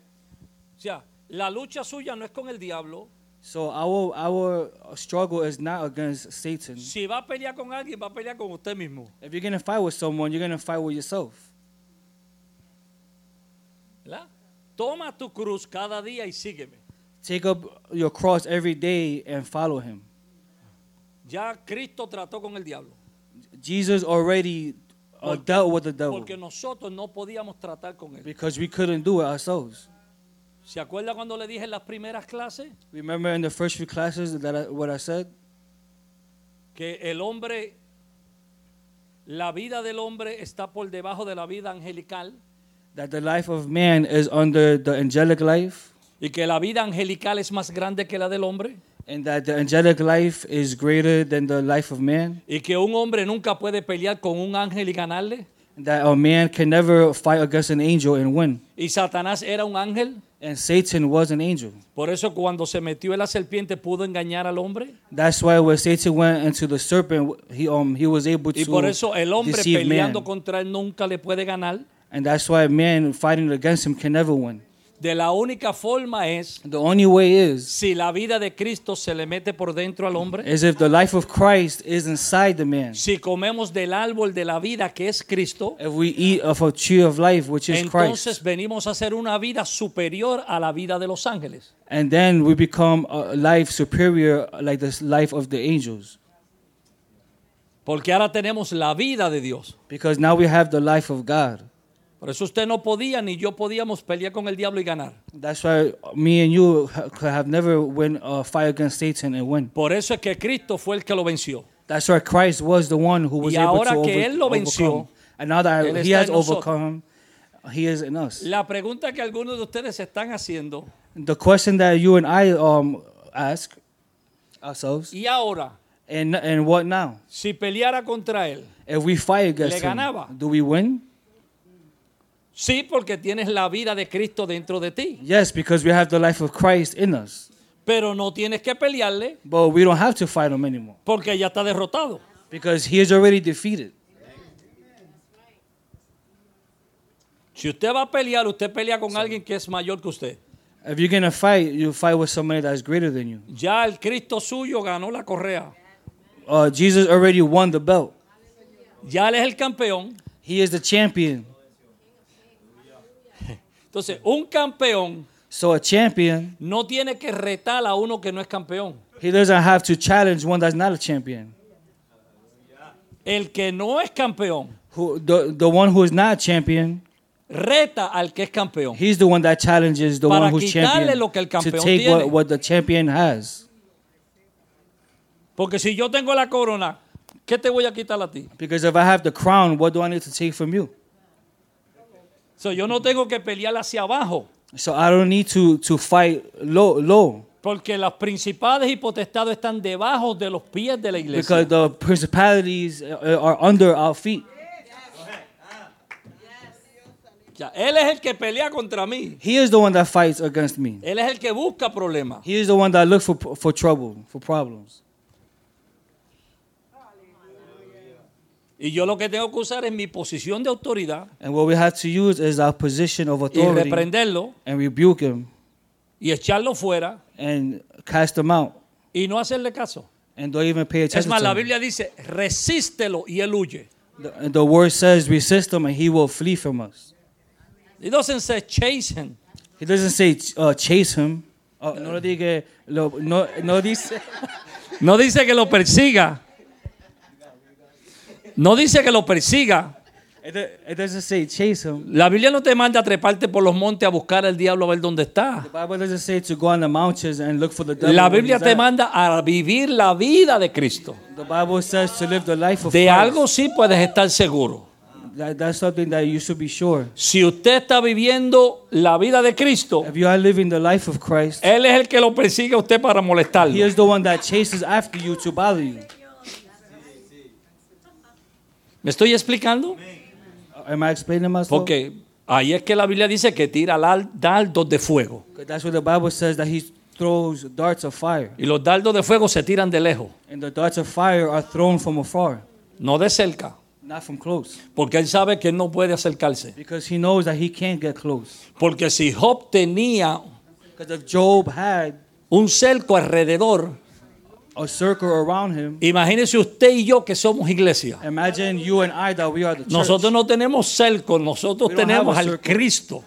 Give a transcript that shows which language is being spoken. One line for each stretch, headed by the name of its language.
Spanish: O sea, la lucha suya no es con el diablo.
English: So our struggle is not against Satan.
Spanish: Si va a pelear con alguien, va a pelear con usted mismo.
English: If you're going to fight with someone, you're going to fight with yourself.
Spanish: ¿Verdad? Toma tu cruz cada día y sígueme.
English: Take up your cross every day and follow him.
Spanish: Ya Cristo trató con el diablo.
English: Jesus already dealt with the devil.
Spanish: Porque nosotros no podíamos tratar con él.
English: Because we couldn't do it ourselves.
Spanish: ¿Se acuerda cuando le dije en las primeras clases?
English: Remember in the first few classes what I said?
Spanish: Que el hombre, la vida del hombre está por debajo de la vida angelical.
English: That the life of man is under the angelic life.
Spanish: Y que la vida angelical es más grande que la del hombre.
English: And that the angelic life is greater than the life of man.
Spanish: Y que un hombre nunca puede pelear con un ángel y ganarle.
English: That a man can never fight against an angel and win.
Spanish: Y Satanás era un ángel.
English: And Satan was an angel.
Spanish: Por eso cuando se metió en la serpiente pudo engañar al hombre.
English: That's why when Satan went into the serpent, he was able to deceive
Spanish: man. Y por eso el hombre peleando contra él nunca le puede ganar.
English: And that's why a man fighting against him can never win.
Spanish: De la única forma es
English: the only way is,
Spanish: si la vida de Cristo se le mete por dentro al hombre.
English: Is if the life of Christ is inside the man.
Spanish: Si comemos del árbol de la vida que es Cristo.
English: If we eat of a tree of life which is Christ.
Spanish: Entonces venimos a hacer una vida superior a la vida de los ángeles.
English: And then we become a life superior like the life of the angels.
Spanish: Porque ahora tenemos la vida de Dios.
English: Because now we have the life of God.
Spanish: Por eso usted no podía ni yo podíamos pelear con el diablo y ganar.
English: That's why me and you have never win a fight against Satan and win.
Spanish: Por eso es que Cristo fue el que lo venció.
English: That's why Christ was the one who was
Spanish: y
English: able
Spanish: ahora
English: to
Spanish: que él lo venció,
English: overcome. And now that he has overcome, he is in us.
Spanish: La pregunta que algunos de ustedes están haciendo.
English: The question that you and I ask ourselves.
Spanish: Y ahora.
English: And what now?
Spanish: Si peleara contra él.
English: If we fight against
Spanish: le ganaba,
English: him, do we win?
Spanish: Sí, porque tienes la vida de Cristo dentro de ti.
English: Yes, because we have the life of Christ in us.
Spanish: Pero no tienes que pelearle.
English: But we don't have to fight him anymore.
Spanish: Porque ya está derrotado.
English: Because he is already defeated.
Spanish: Si usted va a pelear, usted pelea con alguien que es mayor que usted.
English: If you're going to fight, you'll fight with somebody that's greater than you.
Spanish: Ya el Cristo suyo ganó la correa.
English: Jesus already won the belt.
Spanish: Ya él es el campeón.
English: He is the champion.
Spanish: Entonces, un campeón.
English: So a champion.
Spanish: No tiene que retar a uno que no es campeón.
English: He doesn't have to challenge one that's not a champion.
Spanish: El que no es campeón.
English: The one who is not a champion.
Spanish: Reta al que es campeón.
English: He's the one that challenges the one who's champion.
Spanish: Lo que el campeón
English: to take
Spanish: tiene.
English: What the champion has.
Spanish: Porque si yo tengo la corona, ¿qué te voy a quitar a ti?
English: Because if I have the crown, what do I need to take from you?
Spanish: So yo no tengo que pelear hacia abajo.
English: So I don't need to fight low.
Spanish: Porque las principales y potestades están debajo de los pies de la iglesia.
English: Because the principalities are under our feet.
Spanish: Él es el que pelea contra mí.
English: He is the one that fights against me.
Spanish: Él es el que busca problemas.
English: He is the one that looks for trouble, for problems.
Spanish: Y yo lo que tengo que usar es mi posición de autoridad.
English: And what we have to use is our position of authority.
Spanish: Y reprenderlo.
English: And rebuke him.
Spanish: Y echarlo fuera.
English: And cast him out.
Spanish: Y no hacerle caso.
English: And don't even pay attention to him.
Spanish: Es más, la Biblia dice, resístelo y él huye.
English: The word says, resist him and he will flee from us. He doesn't say chase him. He doesn't say chase him.
Spanish: No lo diga, no dice. No dice que lo persiga. No dice que lo persiga.
English: It doesn't say chase him.
Spanish: La Biblia no te manda a treparte por los montes a buscar al diablo a ver dónde está.
English: The Bible doesn't say to go on the mountains and look for the devil.
Spanish: La Biblia te manda a vivir la vida de Cristo.
English: The Bible says to live the life of Christ.
Spanish: De algo sí puedes estar seguro.
English: That's something that you should be sure.
Spanish: Si usted está viviendo la vida de Cristo,
English: if you are living the life of Christ,
Spanish: él es el que lo persigue a usted para molestarlo.
English: He is the one that chases after you to bother you.
Spanish: ¿Me estoy explicando?
English: Am I explaining myself?
Spanish: Porque ahí es que la Biblia dice que tira dardos de fuego.
English: That's what the Bible says, that he throws darts of fire.
Spanish: Y los dardos de fuego se tiran de lejos.
English: And the darts of fire are thrown from afar.
Spanish: No de cerca.
English: Not from close.
Spanish: Porque él sabe que no puede acercarse.
English: Because he knows that he can't get close.
Spanish: Porque si Job tenía,
English: because if Job had
Spanish: un cerco alrededor,
English: a circle around him.
Spanish: Imagínese usted y yo que somos iglesia.
English: Imagine you and I that we are the church.
Spanish: Nosotros no tenemos cerco, nosotros tenemos al Cristo.